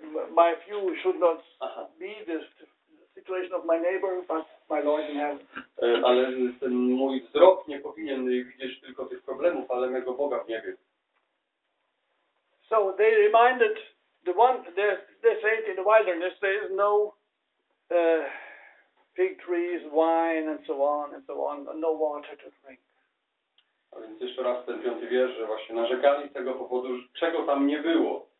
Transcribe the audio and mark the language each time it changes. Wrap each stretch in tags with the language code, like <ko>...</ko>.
<en>My few should not be the situation of my neighbor, but my Lord in heaven.</en> <pl>Ale ten mój wzrok nie powinien widzieć tylko tych problemów, ale mego Boga w niebie.</pl> <en>So they reminded the one they say in the wilderness there is no fig trees, wine and so on, no water to drink.</en> <pl>A więc jeszcze raz ten piąty wiersz, że właśnie narzekali z tego powodu, czego tam nie było.</pl>